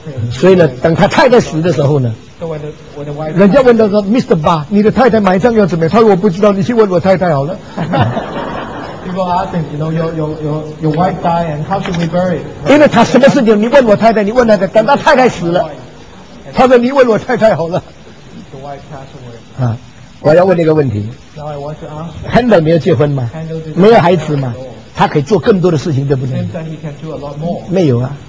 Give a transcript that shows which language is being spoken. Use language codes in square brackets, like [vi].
[zh] 所以呢，等他太太死的时候呢，人家问他说 ：“Mr. Ba， 你的太太埋葬要怎么样？”他说：“我不知道，你去问我太太好了。” [en] People are asking, you know, your wife died and how should we bury it? [zh] 因为他什么事情，你问我太太，你问那个，等他太太死了，他说：“你问我太太好了。” [en] The wife passed away. [zh] 我要问一个问题 Handel 没有结婚吗？没有孩子吗？他可以做更多的事情，对不对？没有啊。